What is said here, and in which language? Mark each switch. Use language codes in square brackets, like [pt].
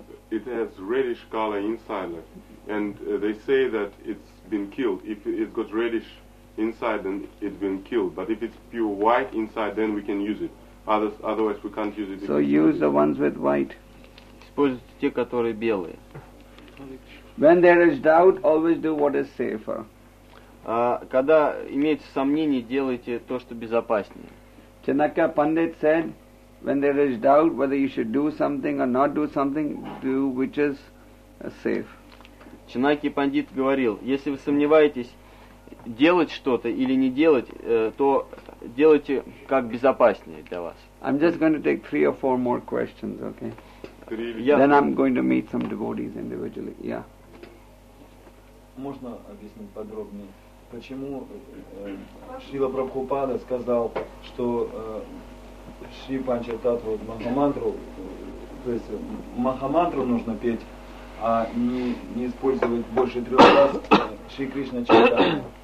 [en] It has reddish color inside, and they say that it's been killed. If it got reddish inside, then it's been killed. But if it's pure white inside, then we can use it. Otherwise, we can't use it. So use the ones with white. [ru] Используйте те, которые белые. [en] When there is doubt, always do what is safer. [ru] Когда имеется сомнение, делайте то, что безопаснее. [en] Chanakya Pandit said, when there is doubt whether you should do something or not do something, do which is safe. [ru] Chanakya Pandit говорил, если вы сомневаетесь, делать что-то или не делать, то делайте как безопаснее для вас. [en] I'm just going to take three or four more questions, okay? Then I'm going to meet some devotees individually, yeah. [ru] Можно объяснить подробнее, почему Шрила Прабхупада сказал, что Шри Панчататву Махамантру, то есть Махамантру нужно петь, а не использовать больше трех раз Шри Кришна Чайтанья?